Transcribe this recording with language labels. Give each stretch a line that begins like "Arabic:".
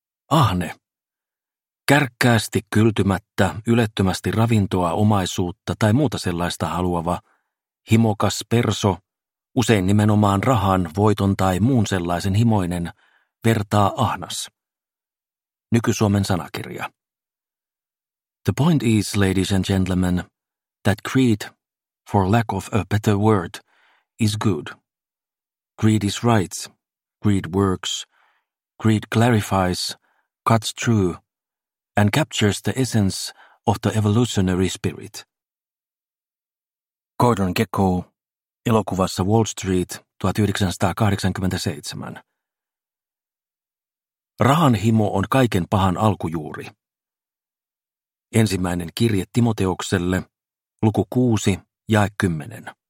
Finnish: Ahne. Kärkkäästi, kyltymättä, ylettömästi ravintoa, omaisuutta tai muuta sellaista haluava, himokas perso, usein nimenomaan rahan, voiton tai muun sellaisen himoinen, vertaa ahnas. Nyky-Suomen sanakirja.
English: The point is, ladies and gentlemen, that greed, for lack of a better word, is good. Greed is right, greed works, greed clarifies, cuts through, and captures the essence of the evolutionary spirit.
Finnish: Gordon Gekko, elokuvassa Wall Street, 1987. Rahan himo on kaiken pahan alkujuuri. Ensimmäinen kirje Timoteokselle, luku 6, jae 10.